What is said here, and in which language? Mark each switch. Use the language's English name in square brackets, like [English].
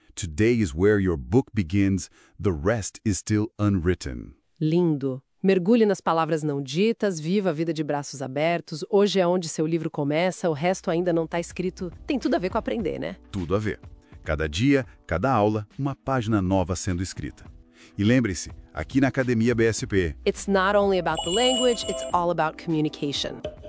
[English] Today is where your book begins, the rest is still unwritten. [Portuguese] Lindo. Mergulhe nas palavras não ditas, viva a vida de braços abertos. Hoje é onde seu livro começa, o resto ainda não está escrito. Tem tudo a ver com aprender, né? Tudo a ver. Cada dia, cada aula, uma página nova sendo escrita. E lembre-se, aqui na Academia BSP... [English] It's not only about the language, it's all about communication.